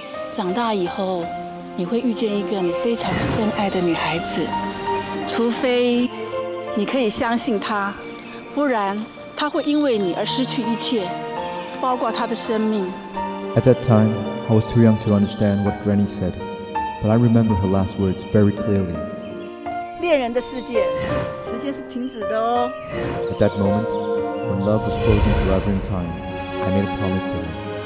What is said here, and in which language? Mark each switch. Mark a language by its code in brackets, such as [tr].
[zh] 长大以后，你会遇见一个你非常深爱的女孩子，除非你可以相信她，不然她会因为你而失去一切，包括她的生命。 [en] At that time, I was too young to understand what Granny said, but I remember her last words very clearly. [zh] 恋人的世界，时间是停止的哦。 [en] At that moment, when love was frozen forever in time, I made a promise to her.